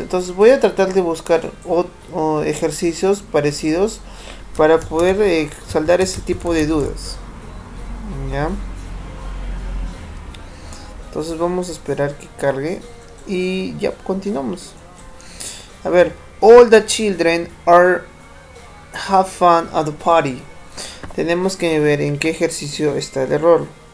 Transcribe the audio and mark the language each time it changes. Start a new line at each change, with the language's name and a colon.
Spanish: Entonces voy a tratar de buscar otros ejercicios parecidos para poder saldar ese tipo de dudas. ¿Ya? Entonces vamos a esperar que cargue y ya continuamos. A ver,
English: all the children are have fun at the party.
Spanish: Tenemos que ver en qué ejercicio está el error.